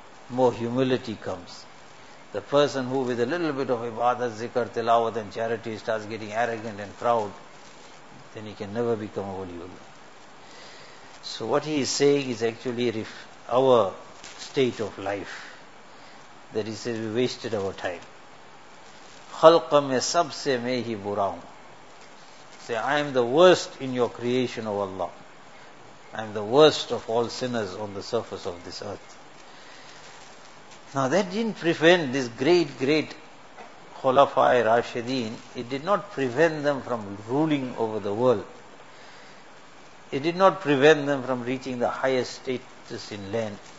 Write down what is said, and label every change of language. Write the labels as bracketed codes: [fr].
[en] More humility comes. The person who with a little bit of ibadah, zikr, tilawat and charity starts getting arrogant and proud, then he can never become a waliullah. So what he is saying is actually our state of life. That he says we wasted our time. [ur] خلق میں سب سے میں ہی برا ہوں. [en] Say, I am the worst in your creation, O Allah. I am the worst of all sinners on the surface of this earth. Now that didn't prevent this great, great Khulafa-i Rashideen. It did not prevent them from ruling over the world. It did not prevent them from reaching the highest status in land.